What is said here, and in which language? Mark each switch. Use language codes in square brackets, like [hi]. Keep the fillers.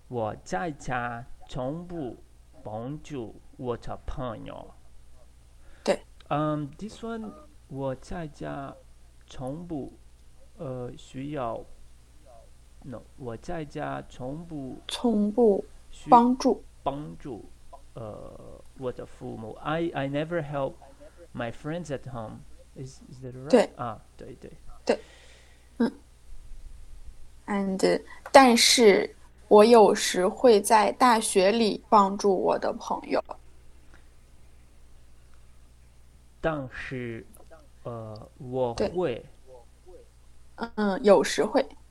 [zh] 我在家从不。 Bonjour，我的朋友。对，嗯、um,， [en] this one [zh] 我在家从不呃需要，no，我在家从不从不帮助帮助呃我的父母。 [en] I I never help my friends at home. is, is that right？ [zh] 对啊，对对对， [en] 嗯 [zh] ，and ah, 我有时会在大学里帮助我的朋友，但是，呃，我会，我会嗯有时会，